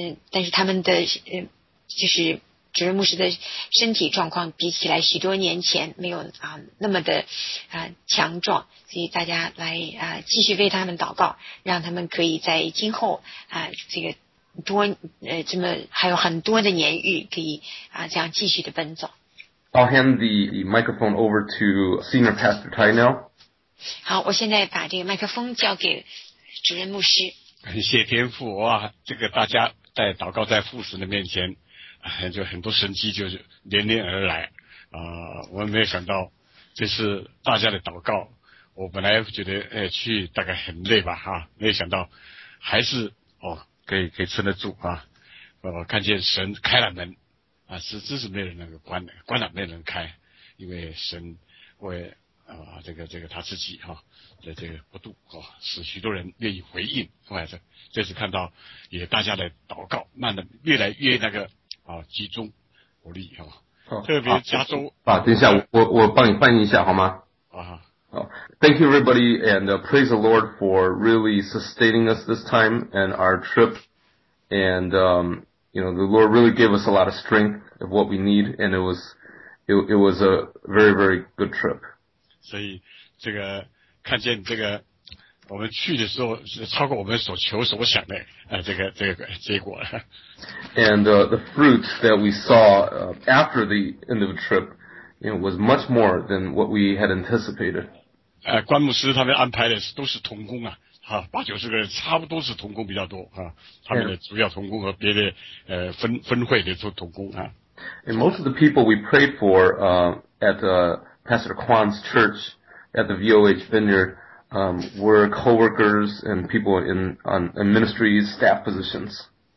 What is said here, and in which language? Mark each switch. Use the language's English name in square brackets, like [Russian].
[Chinese] 但是他们的就是主任牧师的身体状况比起来许多年前没有那么的强壮，所以大家来继续为他们祷告，让他们可以在今后这个多这么还有很多的年日可以这样继续的奔走。 [English] I'll hand the microphone over to Senior Pastor Tai now. [Chinese] 好，我现在把这个麦克风交给主任牧师。感谢天父这个大家在祷告在父神的面前。就很多神迹就是连连而来我没有想到这是大家的祷告，我本来觉得去大概很累吧没有想到还是给撑得住啊！看见神开了门啊，是真是没人能够关了没人开，因为神为这个他自己哈、啊、的这个不度哈、啊，使许多人愿意回应。后来这次看到也大家的祷告，慢的越来越那个啊集中火力哈、啊，特别加州啊，等一下我帮你翻译一下好吗？啊。 [English] Thank you everybody and praise the Lord for really sustaining us this time and our trip. And, the Lord really gave us a lot of strength of what we need and it was a very, very good trip. [Chinese] 所以这个看见这个我们去的时候是超过我们所求所想的、这个结果。 [English] And, the fruit that we saw、after the end of the trip, was much more than what we had anticipated. [Chinese] 关牧师他们安排的都是同工啊，哈、啊，八九十个人差不多是同工比较多啊，他们的主要同工和别的分会的做同工啊。 [English] And most of the people we prayed for, at Pastor Kwan's church at the VOH Vineyard, were coworkers and people in ministry staff positions.